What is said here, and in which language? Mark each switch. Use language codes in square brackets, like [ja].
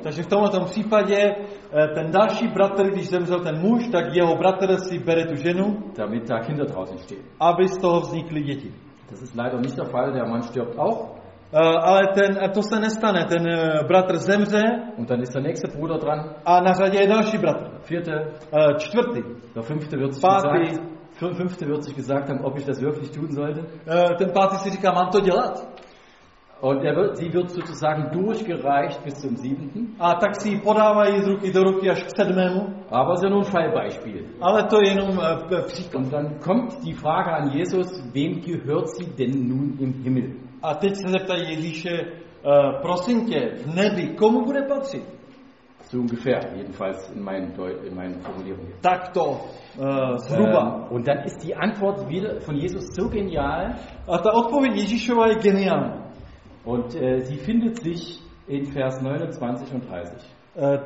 [cs] Takže v tomto případě ten další bratr, když zemřel ten muž, tak jeho bratr si bere tu ženu, [de] damit da Kinder draußen stehen. [cs] Aby z toho vznikly děti. [de] Das ist leider nicht der Fall, der Mann stirbt auch. [cs] Ale ten, to se nestane, ten bratr zemře. [de] Und dann ist der nächste Bruder dran. [cs] A na řadě je další bratr. [de] Vierte. [cs] Čtvrtý. [de] Der fünfte wird sich gesagt. Fünfte wird sich gesagt haben, ob ich das wirklich tun sollte. [cs] Ten pátý si říká, mám to dělat? [de] Und sie wird sozusagen durchgereicht bis zum siebten. [cs] A tak si podávají z ruky do ruky až k sedmému. [de] Aber es ist ja nur ein Fallbeispiel. [cs] Ale to je jenom příklad. [de] Und dann kommt die Frage an Jesus, wem gehört sie denn nun im Himmel? [cs] A teď se zeptají Ježíše, prosím tě, v nebi, komu bude patřit? [de] So ungefähr, jedenfalls in meinen Formulierungen. [cs] Tak to, zhruba. [de] Und dann ist die Antwort wieder von Jesus so genial. [cs] A ta odpověď Ježíšova je geniální. [de] Und sie findet sich in Vers 29 und 30.